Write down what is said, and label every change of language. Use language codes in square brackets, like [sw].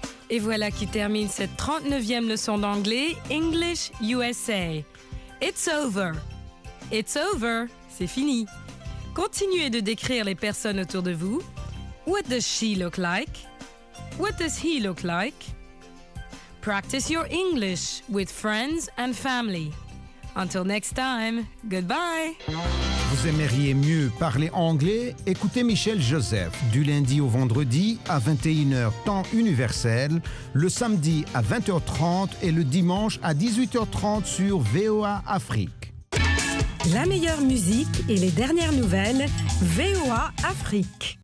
[fr] Et voilà qui termine cette 39e leçon d'anglais, English USA. [en] It's over. It's over. [fr] C'est fini. Continuez de décrire les personnes autour de vous. [en] What does she look like? What does he look like? Practice your English with friends and family. Until next time, goodbye. [fr] Vous aimeriez mieux parler anglais? Écoutez Michel Joseph du lundi au vendredi à 21h temps universel, le samedi à 20h30 et le dimanche à 18h30 sur VOA Afrique. La meilleure musique et les dernières nouvelles, VOA Afrique.